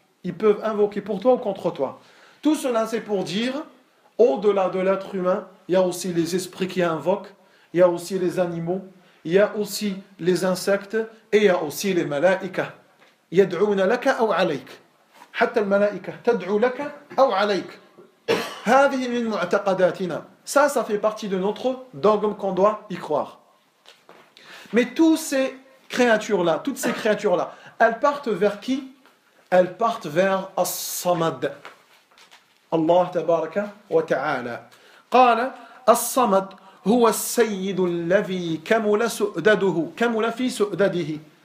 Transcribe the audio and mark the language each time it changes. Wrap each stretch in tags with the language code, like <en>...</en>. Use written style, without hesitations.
<fr>Ils peuvent invoquer pour toi ou contre toi. Tout cela, c'est pour dire, au-delà de l'être humain, il y a aussi les esprits qui invoquent, il y a aussi les animaux, il y a aussi les insectes et il y a aussi les malaïkas.</fr> <ar>يدعون لك أو عليك حتى الملائكة تدعو لك أو عليك هذه من معتقداتنا.</ar> <fr>Ça, ça fait partie de notre dogme qu'on doit y croire. Mais toutes ces créatures-là, elles partent vers qui? Elles partent vers الصمد.</fr> <ar>الله تبارك وتعالى قال الصمد هو السيد الذي كمل سؤدده كمل في سؤدده.</ar>